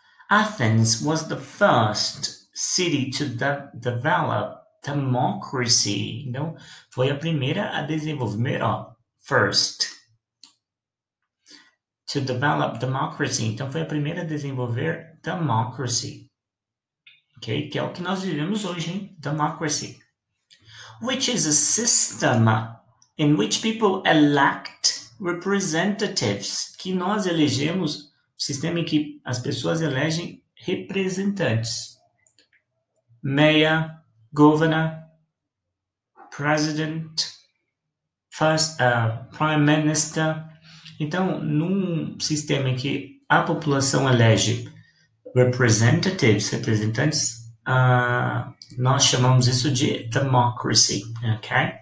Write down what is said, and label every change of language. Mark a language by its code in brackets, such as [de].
[en] Athens was the first city to develop democracy. [pt] Então, foi a primeira a desenvolver, ó, first. [en] To develop democracy. [pt] Então, foi a primeira a desenvolver democracy. Ok? Que é o que nós vivemos hoje, hein? [en] Democracy. Which is a system in which people elect representatives. [pt] Que nós elegemos, sistema em que as pessoas elegem representantes. [en] Mayor, governor, president, first, prime minister. [pt] Então, num sistema em que a população elege representatives, representantes, nós chamamos isso de democracy, ok?